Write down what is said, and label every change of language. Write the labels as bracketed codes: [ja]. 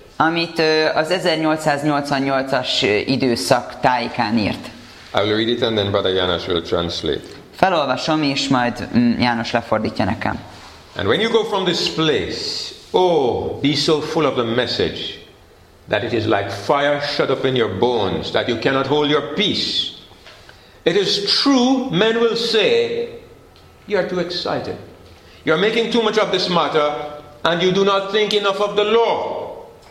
[hu] Amit az 1888-as időszak tájékán írt. [en] I will read it and then Brother János will translate. [hu] Felolvasom és majd János lefordítja nekem. [en] And when you go from this place, oh, be so full of the message that it is like fire shut up in your bones, that you cannot hold your peace. It is true, men will say, you are too excited. You are making too much of this matter and you do not think enough of the law.